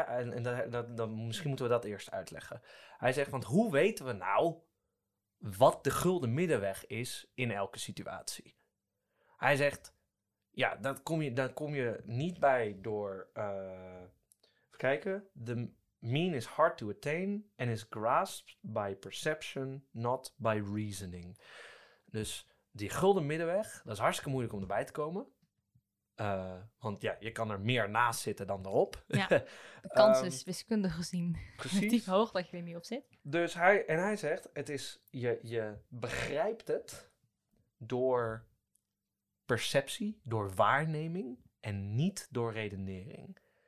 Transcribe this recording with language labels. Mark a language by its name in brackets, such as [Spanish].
[Dutch] En dat, misschien moeten we dat eerst uitleggen. Hij zegt, want hoe weten we nou wat de gulden middenweg is in elke situatie? Hij zegt, ja, dat kom je niet bij door, even kijken. [English] The mean is hard to attain and is grasped by perception, not by reasoning. [Dutch] Dus die gulden middenweg, dat is hartstikke moeilijk om erbij te komen. Want ja, je kan er meer naast zitten dan erop. Ja, de kans is wiskundig gezien relatief hoog dat je er niet op zit. Dus hij zegt, het is, je begrijpt het door perceptie, door waarneming en niet door redenering.